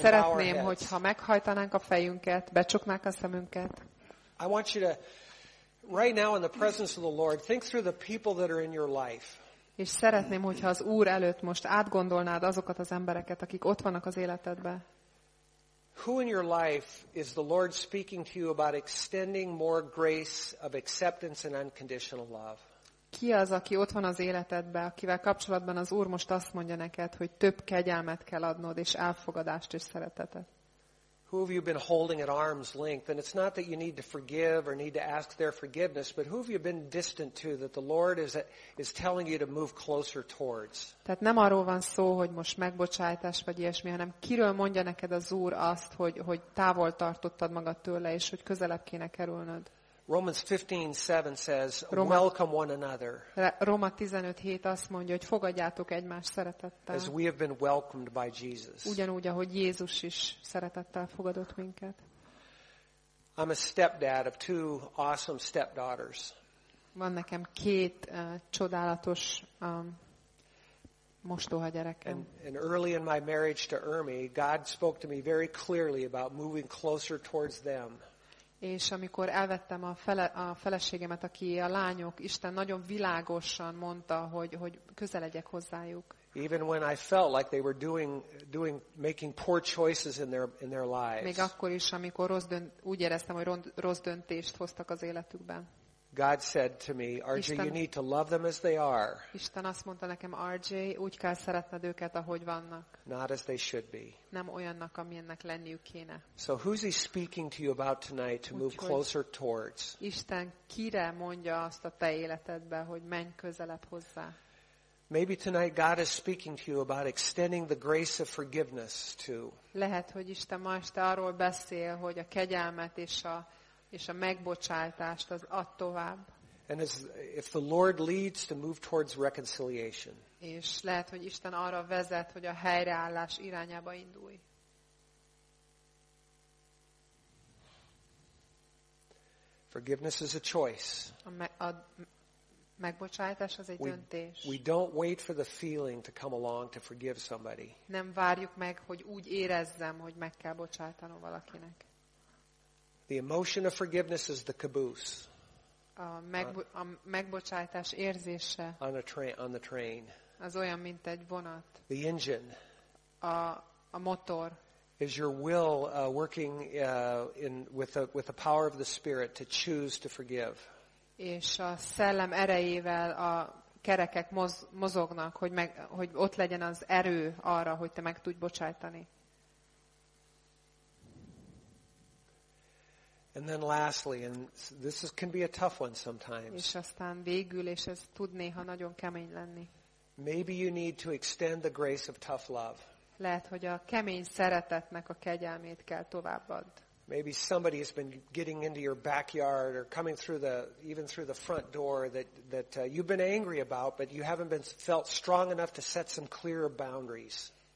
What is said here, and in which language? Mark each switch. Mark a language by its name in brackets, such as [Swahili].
[Hungarian] Szeretném, hogyha meghajtanánk a fejünket, becsuknánk a szemünket. [English] I want you to, right now in the presence of the Lord, think through the people that are in your life. [Hungarian] És szeretném, hogyha az Úr előtt most átgondolnád azokat az embereket, akik ott vannak az életedben. [English] Who in your life is the Lord speaking to you about extending more grace of acceptance and unconditional love? [Hungarian] Ki az, aki ott van az életedben, akivel kapcsolatban az Úr most azt mondja neked, hogy több kegyelmet kell adnod, és elfogadást és szeretetet? [English] Who have you been holding at arm's length? And it's not that you need to forgive or need to ask their forgiveness, but who have you been distant to that the Lord is telling you to move closer towards? [Hungarian] Tehát nem arról van szó, hogy most megbocsájtás vagy ilyesmi, hanem kiről mondja neked az Úr azt, hogy távol tartottad magad tőle, és hogy közelebb kéne kerülnöd. [English] Romans 15:7 says, welcome one another. [Hungarian] Róma 15:7 azt mondja, hogy fogadjátok egymást szeretettel. [English] As we have been welcomed by Jesus. [Hungarian] Ugyanúgy, ahogy Jézus is szeretettel fogadott minket. [English] I'm a stepdad of two awesome stepdaughters. [Hungarian] Van nekem két csodálatos mostoha gyerekem. [English] And early in my marriage to Ermi, God spoke to me very clearly about moving closer towards them. [Hungarian] És amikor elvettem a feleségemet, aki a lányok, Isten nagyon világosan mondta, hogy közel legyek hozzájuk. [English] Even when I felt like they were doing making poor choices in their lives. [Hungarian] Még akkor is, amikor úgy éreztem, hogy rossz döntést hoztak az életükben. [English] God said to me, RJ, you need to love them as they are. [Hungarian] Isten azt mondta nekem, RJ, úgy kell szeretned őket, ahogy vannak. [English] Not as they should be. [Hungarian] Nem olyannak, amilyennek lenniük kéne. [English] So who's he speaking to you about tonight to move closer towards? [Hungarian] Isten kire mondja azt a te életedbe, hogy menj közelebb hozzá? [English] Maybe tonight God is speaking to you about extending the grace of forgiveness to. [Hungarian] Lehet, hogy Isten ma este arról beszél, hogy a kegyelmet és a megbocsátást az ad tovább. [English] And if the Lord leads to move towards reconciliation. [Hungarian] És lehet, hogy Isten arra vezet, hogy a helyreállás irányába indulj. [English] Forgiveness is a choice. [Hungarian] Megbocsátás az egy döntés. [English] We don't wait for the feeling to come along to forgive somebody. [Hungarian] Nem várjuk meg, hogy úgy érezzem, hogy meg kell bocsátanom valakinek. [English] The emotion of forgiveness is the caboose. [Hungarian] A megbocsátás érzése. [English] On the train. [Hungarian] Az olyan, mint egy vonat. [English] The engine. [Hungarian] A motor. [English] Is your will working in with the power of the Spirit to choose to forgive? [Hungarian] És a szellem erejével a kerekek mozognak, hogy ott legyen az erő arra, hogy te meg tudj bocsájtani. [English] And then lastly, and this can be a tough one sometimes. [Hungarian] És aztán végül, és ez tud néha nagyon kemény lenni. [English] Maybe you need to extend the grace of tough love. [Hungarian] Lehet, hogy a kemény szeretetnek a kegyelmét kell továbbad. [English] Maybe somebody has been getting into your backyard or coming through the even through the front door that you've been angry about, but you haven't been felt strong enough to set some clear boundaries.